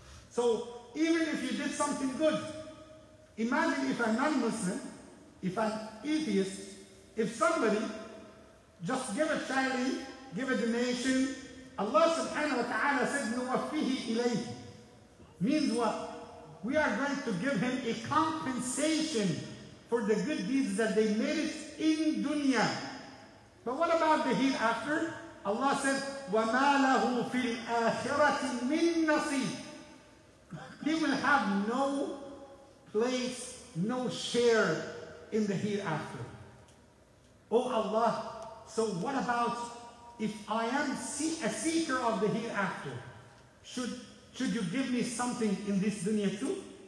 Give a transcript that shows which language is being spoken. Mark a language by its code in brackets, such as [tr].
[en] So even if you did something good, imagine if a non-Muslim, if an atheist, if somebody just give a charity, give a donation, Allah subhanahu wa ta'ala said, [ar] نُوَفِّهِ إِلَيْهِ. [en] Means what? We are going to give him a compensation for the good deeds that they made it in dunya. But what about the hereafter? Allah said, [ar] وَمَا لَهُ فِي الْآخِرَةِ مِنْ نَصِيبٍ. [en] He will have no place, no share in the hereafter. Oh Allah, so what about if I am a seeker of the hereafter? Should you give me something in this dunya too?